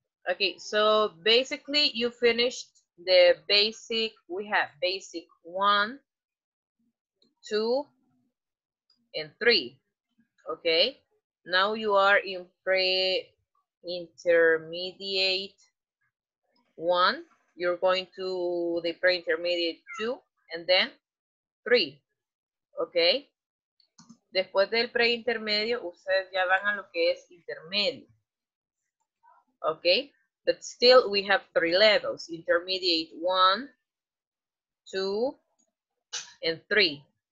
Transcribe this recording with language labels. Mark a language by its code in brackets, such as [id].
[en] Okay, so basically you finished the basic, we have basic one, two, and three. Okay, now you are in pre-intermediate one, you're going to the pre-intermediate two, and then three. [es] Okay, después del pre-intermedio, ustedes ya van a lo que es intermedio. [en] Okay, but still we have three levels, intermediate one, two, and three.